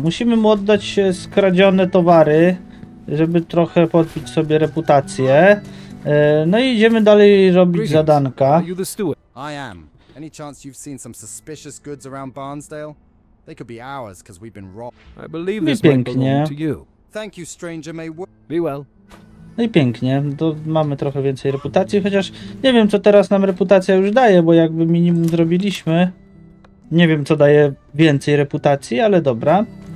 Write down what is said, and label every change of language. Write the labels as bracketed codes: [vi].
[pl] Musimy mu oddać skradzione towary, żeby trochę podbić sobie reputację. No i idziemy dalej robić zadanka. [en] I am. Any chance you've seen some suspicious goods around Barnsdale? They could be ours, because we've been robbed. I believe this pięknie. Might belong to you. Thank you, stranger. May we... Be well. [pl] No i pięknie, to mamy trochę więcej reputacji, chociaż nie wiem, co teraz nam reputacja już daje, bo jakby minimum zrobiliśmy. Nie wiem, co daje więcej reputacji, ale dobra.